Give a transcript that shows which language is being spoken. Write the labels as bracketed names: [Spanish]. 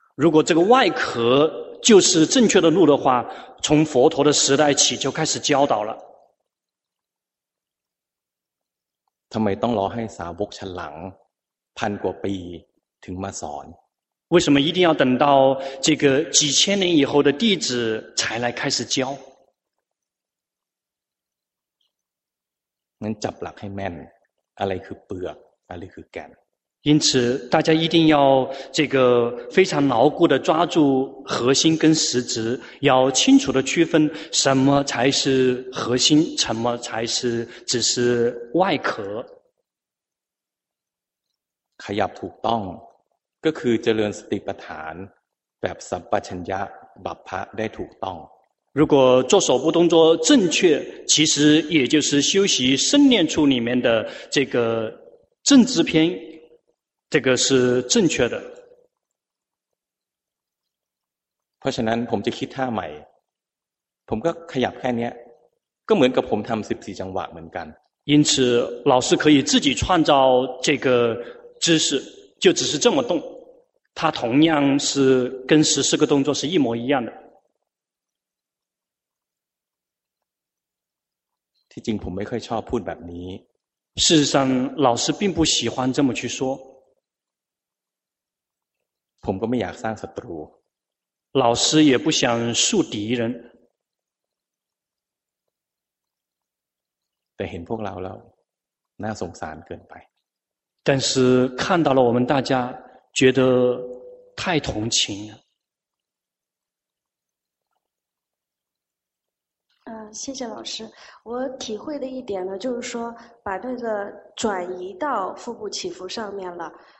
[Chinese] 如果这个外壳就是正确的路的话从佛陀的时代起就开始教导了 [Thai] ทำไมต้องรอให้สาวกชั้นหลังพันกว่าปีถึงมาสอน [Chinese] 为什么一定要等到这个几千年以后的弟子才来开始教 [Thai] งั้นจับหลักให้แม่นอะไรคือเปลือกอะไรคือแก่น [Chinese] 因此大家一定要这个非常牢固的抓住核心跟实质要清楚的区分什么才是核心什么才是只是外壳 [Thai] ขยับถูกต้องก็คือเจริญสติปัฏฐานแบบสัมปชัญญะบัพพะได้ถูกต้อง [Chinese] 如果做手部动作正确其实也就是修习生念处里面的这个正知篇这个是正确的 [Thai] เพราะฉะนั้นผมจะคิดท่าใหม่ผมก็ขยับแค่นี้ก็เหมือนกับผมทำ14จังหวะเหมือนกัน [Chinese] 因此老师可以自己创造这个姿势就只是这么动，它同样是跟十四个动作是一模一样的。 [Thai] ที่จริงผมไม่ค่อยชอบพูดแบบนี้。 [Chinese] 事实上，老师并不喜欢这么去说。 [Thai] ผมก็ไม่อยากสร้างศัตรู。 [Chinese] 老师也不想树敌人。 [Thai] แต่เห็นพวกเราแล้วน่าสงสารเกินไป。 [Chinese] 但是看到了我们大家，觉得太同情了。谢谢老师。我体会的一点呢，就是说把那个转移到腹部起伏上面了。